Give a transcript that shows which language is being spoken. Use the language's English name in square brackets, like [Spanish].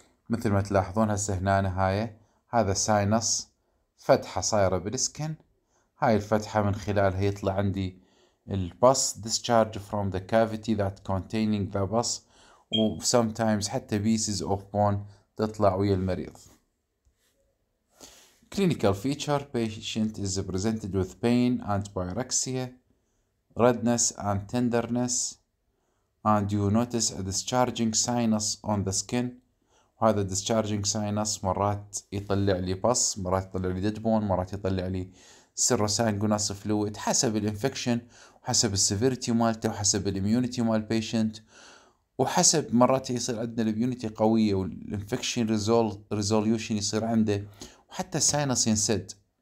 [Arabic] مثل ما تلاحظون هسه هنا نهاية هذا ساينس, فتحة صايرة بالسكن, هاي الفتحة من خلالها يطلع عندي البص [English] discharge from the cavity that containing the pus, [Arabic] و [English] sometimes [Arabic] حتى [English] pieces of bone [Arabic] تطلع ويا المريض. [English] clinical feature patient is presented with pain and pyrexia, redness and tenderness, and you notice a discharging sinus on the skin. [Arabic] وهذا discharging sinus مرات يطلع لي بص, مرات يطلع لي dead bone, مرات يطلع لي serosanguinous fluid حسب الانفكشن, حسب السيفيرتي مالته, وحسب الاميونيتي مال البيشنت, وحسب مرات يصير عندنا الاميونيتي قويه والانفكشن ريزولوشن يصير عنده, وحتى الساينس ينسد.